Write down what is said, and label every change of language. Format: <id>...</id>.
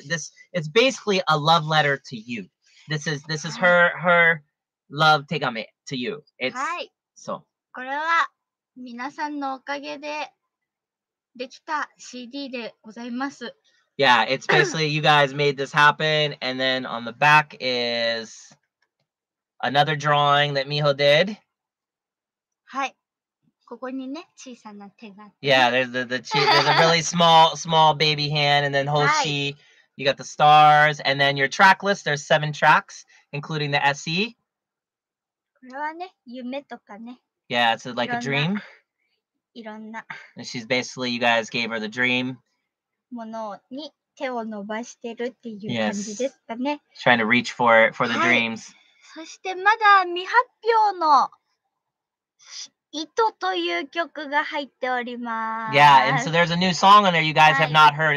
<en>This it's basically a love letter to you. This is her love 手紙 to you. It's Hi. So.</en> <ja>これは皆さんのおかげでできた CD でございます。</ja> <en>Yeah, it's basically you guys made this happen, and then on the back is another drawing that Miho did.</en> <ja>はい、ここにね、小さな手が。</ja> <en>Yeah, there's a really small baby hand, and then Hoshi,、</en> <ja>はい、</ja> <en>you got the stars, and then your track list, there's 7 tracks, including the SE.</en> <ja>これはね、夢とかね。</ja> <en>Yeah, it's like a dream.</en> <ja>いろんな。</ja> <en>And she's basically, you guys gave her the dream.</en> <ja>ものに手を伸ばしてるっていう感じですかね。</ja> <en>Yes. Trying to reach for the、</en> <ja>はい、</ja> <en>dreams.</en> <ja>そしてまだ未発表の糸という曲が入っております。</ja> <en>Yeah, and so there's a new song on there you guys、</en> <ja>はい、</ja> <en>have not heard.</en>